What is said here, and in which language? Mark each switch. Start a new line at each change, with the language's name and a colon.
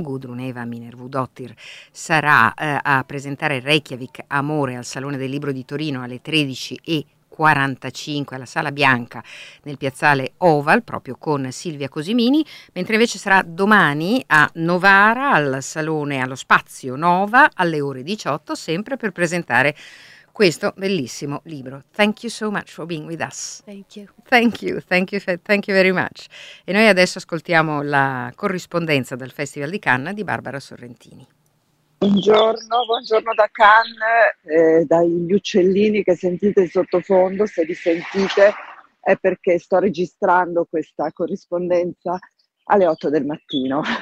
Italian: Gudrun Eva Minervudottir sarà a presentare Reykjavik Amore al Salone del Libro di Torino alle 13:45 alla Sala Bianca nel piazzale Oval, proprio con Silvia Cosimini, mentre invece sarà domani a Novara al Salone, allo Spazio Nova, alle ore 18, sempre per presentare questo bellissimo libro.
English: Thank you so much for being with us. Thank you very much.
Italian: E noi adesso ascoltiamo la corrispondenza dal Festival di Cannes di Barbara Sorrentini. Buongiorno da Cannes, dagli uccellini che sentite in sottofondo, se li sentite è perché sto registrando questa corrispondenza alle 8 del mattino.